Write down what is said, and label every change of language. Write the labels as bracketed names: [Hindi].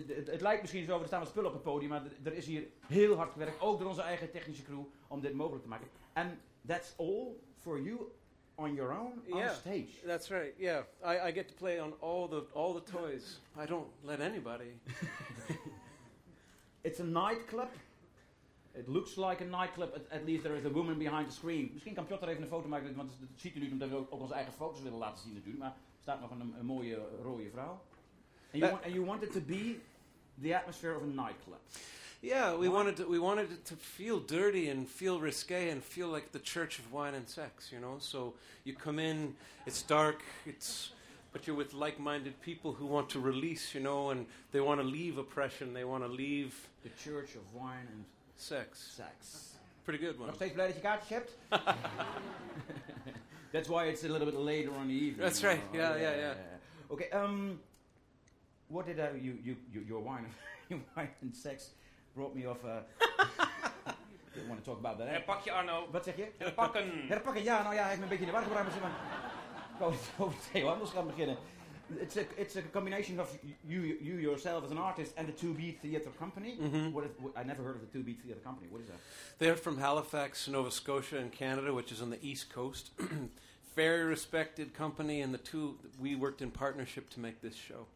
[Dutch] Het lijkt misschien zo, er staan wat spullen op het podium, maar er is hier heel hard gewerkt, ook door onze eigen technische crew, om dit mogelijk te maken. [English] And that's all for you on your own, on stage. That's right, yeah. I get to play on all the toys. I don't let anybody... It's a nightclub. It looks like a nightclub. At least there is a woman behind the screen. [Dutch] Misschien kan Piotr even een foto maken, want dat ziet u nu omdat we ook onze eigen foto's willen laten zien natuurlijk. Maar er staat nog een mooie rode vrouw. [English] And you want it to be the atmosphere of a nightclub. Yeah, we wanted it to feel dirty and feel risque and feel like the church of wine and sex, you know? So you come in, it's dark, but you're with like-minded people who want to release, you know, and they want to leave oppression. They want to leave... The church of wine and... Sex. Sex. Pretty good one. [Dutch] Nog steeds blij dat je kaartjes hebt? [English] That's why it's a little bit later on the evening. That's right. Yeah. Okay. What did your wine wine and sex brought me off... I didn't want to talk about that. [Dutch] Herpak je, Arno. Wat zeg je? Herpakken. Herpakken, ja. Nou ja, hij heeft me een beetje in de war gebracht, maar... Heel anders gaan beginnen. [English] It's a combination of you yourself as an artist and the 2Beat Theatre Company. Mm-hmm. I never heard of the 2Beat Theatre Company. What is that? They're from Halifax, Nova Scotia in Canada, which is on the East Coast. Very respected company, and the two, we worked in partnership to make this show.